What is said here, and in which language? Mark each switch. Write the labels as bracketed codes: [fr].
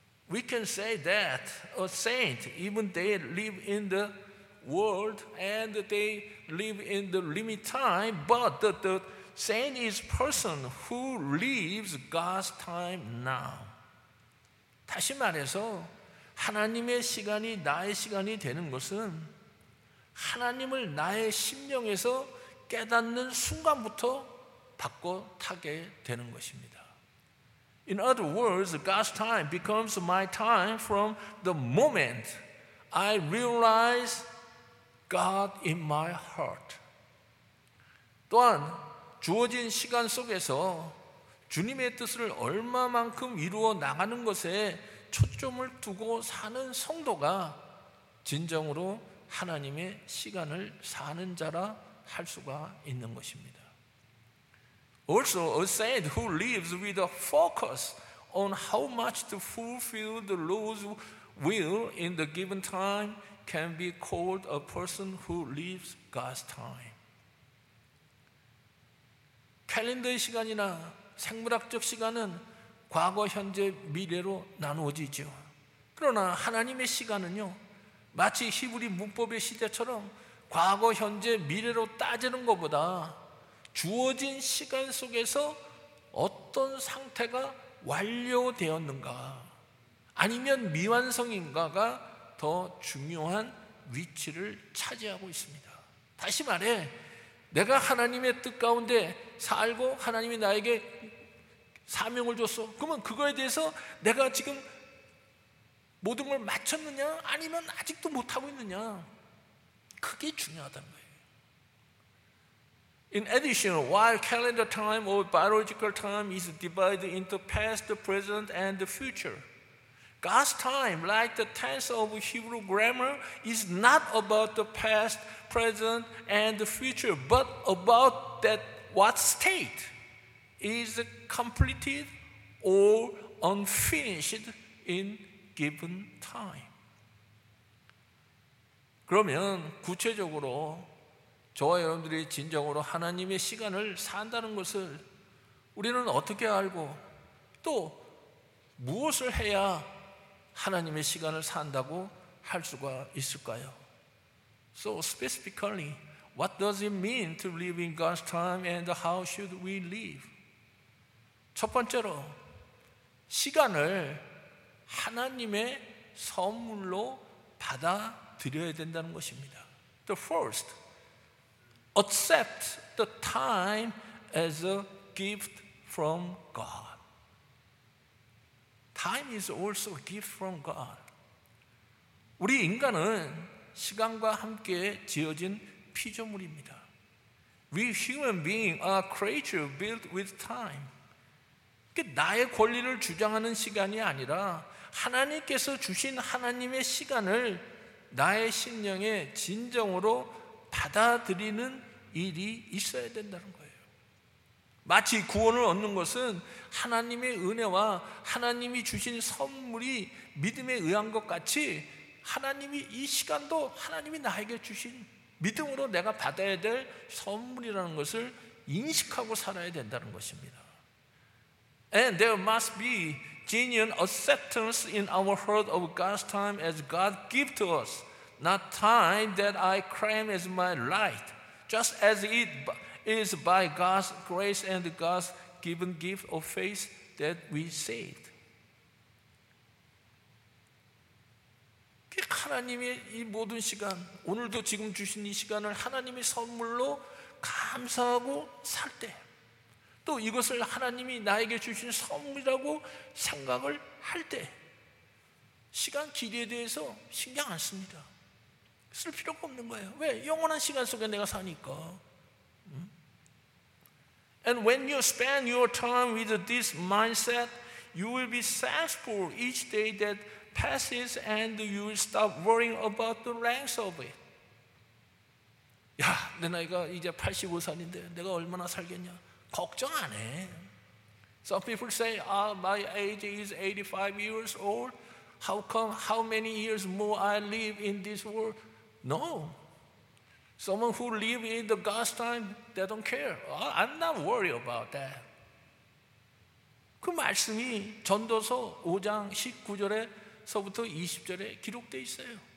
[en] We can say that a saint, even they live in the world and they live in the limited time, but the saint is a person who lives God's time now. [ko] 다시 말해서 하나님의 시간이 나의 시간이 되는 것은 하나님을 나의 심령에서 깨닫는 순간부터 바꿔 타게 되는 것입니다. [en] In other words, God's time becomes my time from the moment I realize God in my heart. [ko] 또한 주어진 시간 속에서 주님의 뜻을 얼마만큼 이루어 나가는 것에 초점을 두고 사는 성도가 진정으로 하나님의 시간을 사는 자라 할 수가 있는 것입니다. [en] Also, a saint who lives with a focus on how much to fulfill the Lord's will in the given time can be called a person who lives God's time. [ko] 캘린더의 시간이나 생물학적 시간은 과거, 현재, 미래로 나누어지죠. 그러나 하나님의 시간은요, 마치 히브리 문법의 시제처럼 과거, 현재, 미래로 따지는 것보다 주어진 시간 속에서 어떤 상태가 완료되었는가 아니면 미완성인가가 더 중요한 위치를 차지하고 있습니다. 다시 말해 내가 하나님의 뜻 가운데 살고 하나님이 나에게 사명을 줬어. 그러면 그거에 대해서 내가 지금 모든 걸 마쳤느냐 아니면 아직도 못하고 있느냐 그게 중요하다는 거예요. [en] In addition, while calendar time or biological time is divided into past, present, and future, God's time, like the tense of Hebrew grammar, is not about the past, present, and future, but about that what state is completed or unfinished in given time. [ko] 그러면 구체적으로 저와 여러분들이 진정으로 하나님의 시간을 산다는 것을 우리는 어떻게 알고 또 무엇을 해야 하나님의 시간을 산다고 할 수가 있을까요? [en] So specifically, what does it mean to live in God's time and how should we live? [ko] 첫 번째로 시간을 하나님의 선물로 받아 드려야 된다는 것입니다. [en] The first, accept the time as a gift from God. Time is also a gift from God. [ko] 우리 인간은 시간과 함께 지어진 피조물입니다. [en] We human beings are creature built with time. [ko] 그게 나의 권리를 주장하는 시간이 아니라 하나님께서 주신 하나님의 시간을 나의 심령에 진정으로 받아들이는 일이 있어야 된다는 거예요. 마치 구원을 얻는 것은 하나님의 은혜와 하나님이 주신 선물이 믿음에 의한 것 같이 하나님이 이 시간도 하나님이 나에게 주신 믿음으로 내가 받아야 될 선물이라는 것을 인식하고 살아야 된다는 것입니다. [en] And there must be genuine acceptance in our heart of God's time as God gives to us, not time that I claim as my right, just as it is by God's grace and God's given gift of faith that we say it. [ko] 하나님의 이 모든 시간, 오늘도 지금 주신 이 시간을 하나님의 선물로 감사하고 살 때, 또 이것을 하나님이 나에게 주신 선물이라고 생각을 할 때 시간 길이에 대해서 신경 안 씁니다. 쓸 필요가 없는 거예요. 왜? 영원한 시간 속에 내가 사니까. [en] And when you spend your time with this mindset, you will be thankful each day that passes and you will stop worrying about the length of it. [ko] 야, 내 나이가 이제 85살인데 내가 얼마나 살겠냐? 걱정 안 해. [en] Some people say, my age is 85 years old. How come, how many years more I live in this world? No. Someone who live in the God's time, they don't care. I'm not worried about that. [ko] 그 말씀이 전도서 5장 19절에서부터 20절에 기록되어 있어요.